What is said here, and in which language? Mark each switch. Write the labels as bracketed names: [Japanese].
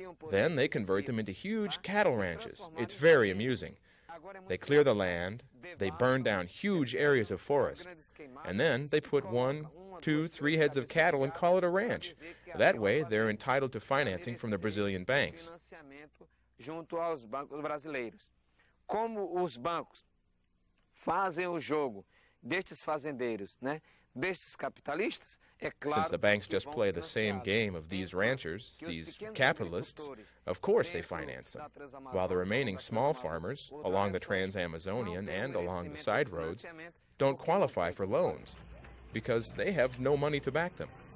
[English] Then they convert them into huge cattle ranches. It's very amusing. They clear the land, they burn down huge areas of forest, and then they put 1, 2, 3 heads of cattle and call it a ranch. That way, they're entitled to financing from the Brazilian banks. [Portuguese] Junto aos bancos brasileiros. Como os bancos fazem o jogo destes fazendeiros, né? Destes capitalistas, é claro. [English] Since the banks just play the same game of these ranchers, these capitalists, of course they finance them. While the remaining small farmers along the Trans-Amazonian and along the side roads don't qualify for loans because they have no money to back them.